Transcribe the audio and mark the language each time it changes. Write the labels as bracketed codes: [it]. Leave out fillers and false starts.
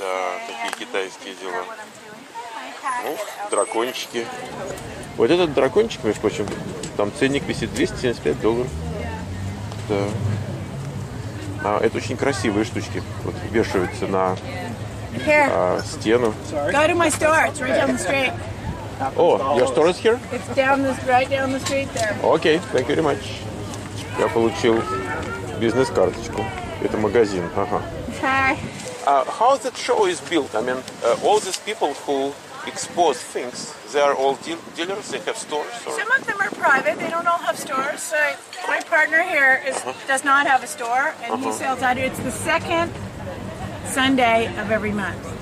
[ru] okay. Да, такие китайские дела. Ну, дракончики. Вот этот дракончик, между прочим, там ценник висит $275. Да. А это очень красивые штучки. Вот вешаются на стену. [en] Go to my store. It's right down the street. Oh, your store is here? It's down this, right down the street there. Okay, thank you very much. [ru] Я получил бизнес-карточку. Это магазин. Ага. [en] Hi. How that show is built? I mean, all these people who expose things, they are all dealers, they have stores? Or? Some of them are private, they don't all have stores. So my partner here is, does not have a store, and he sells out. It's the second Sunday of every month.